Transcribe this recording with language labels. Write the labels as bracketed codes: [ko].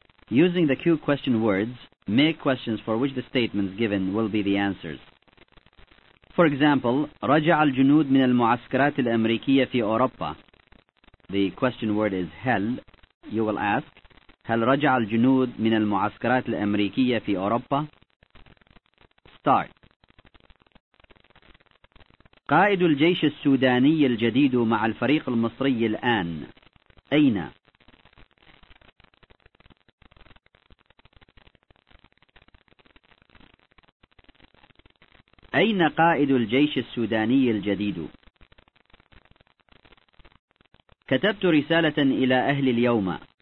[en] Using the cue question words, make questions for which the statements given will be the answers. For example, [ar] رجع الجنود من المعسكرات الأمريكية في أوروبا. [en] The question word is هل. You will ask, [ar] هل رجع الجنود من المعسكرات الأمريكية في أوروبا؟ [en] Start. [ar] قائد الجيش السوداني الجديد مع الفريق المصري الآن أين؟ أين قائد الجيش السوداني الجديد؟ كتبت رسالة إلى أهل اليوم.